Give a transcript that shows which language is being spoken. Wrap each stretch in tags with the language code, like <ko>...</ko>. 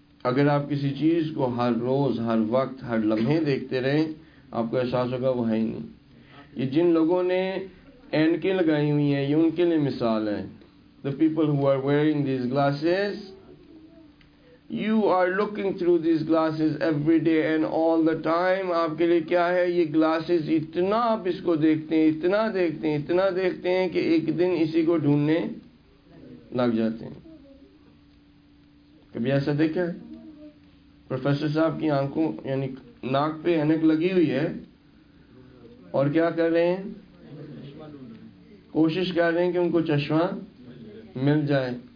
<ur>اگر آپ کسی چیز کو ہر روز, ہر وقت, ہر لمحے دیکھتے رہیں, آپ کو احساس ہوگا وہ ہے نہیں. یہ جن لوگوں نے اینکیں لگائی ہوئی ہیں یہ ان کے لیے مثال ہے.</ur> <en>The people who are wearing these glasses, you are looking through these glasses every day and all the time.</en> <ur>آپ کے لیے کیا ہے یہ glasses, اتنا آپ اس کو دیکھتے ہیں, اتنا دیکھتے ہیں, اتنا دیکھتے ہیں کہ ایک دن اسی کو ڈھونڈنے لگ جاتے ہیں. کبھی ایسا دیکھا ہے پروفیسر صاحب کی آنکھوں یعنی ناک پہ اینک لگی ہوئی ہے اور کیا کر رہے ہیں, کوشش کر رہے ہیں کہ ان کو چشمہ مل جائے.</ur>